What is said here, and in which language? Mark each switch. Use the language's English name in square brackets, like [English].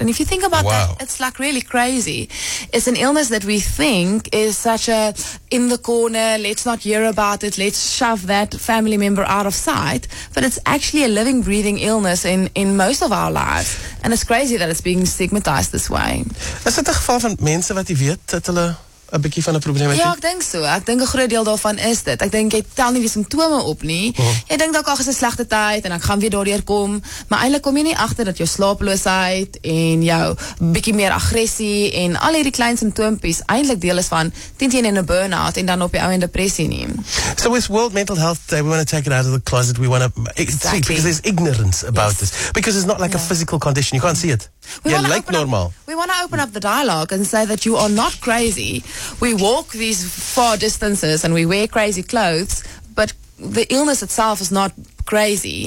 [English] And if you think about that, it's like really crazy. It's an illness that we think is such a in the corner, let's not hear about it, let's shove that family member out of sight, but it's actually a living, breathing illness in most of our lives. And it's crazy that it's being stigmatized this way. Is it a [Afrikaans] geval van mense wat jy weet dat hulle a bietjie van 'n probleem het? Ja, ek dink so. Ek dink 'n groot deel daarvan is dit. Ek dink jy tel nie die simptome op nie. Jy dink dalk is 'n slegte tyd en ek gaan weer daardeur kom, maar eintlik kom jy nie agter dat jou slaaploosheid en jou bietjie meer aggressie en al hierdie klein simptoompies eintlik deel is van teen in 'n burn-out en dan op die ou en depressie nie. [English] So with World Mental Health Day, we want to take it out of the closet. We want to exactly. See, because there's ignorance about this. Because it's not like a physical condition. You can't see it. We want to open up the dialogue and say that you are not crazy. We walk these far distances and we wear crazy clothes, but the illness itself is not crazy.